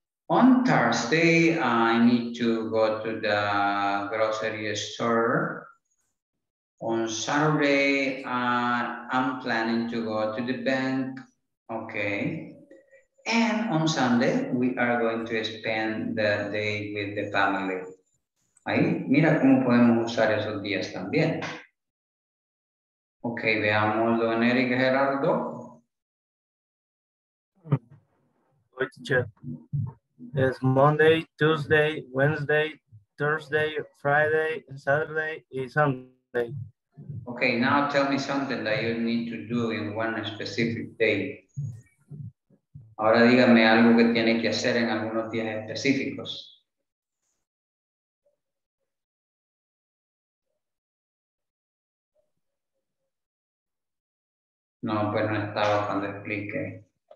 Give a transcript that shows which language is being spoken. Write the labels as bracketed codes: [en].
[en] On Thursday, I need to go to the grocery store. On Saturday, I'm planning to go to the bank. Okay. And on Sunday, we are going to spend the day with the family. [es] Ahí, mira cómo podemos usar esos días también. Ok, veamos, don Eric Gerardo. [en] Hoy, teacher. Es Monday, Tuesday, Wednesday, Thursday, Friday, Saturday y Sunday. Ok, now tell me something that you need to do in one specific day. [es] Ahora dígame algo que tiene que hacer en algunos días específicos. No, pues no estaba cuando expliqué.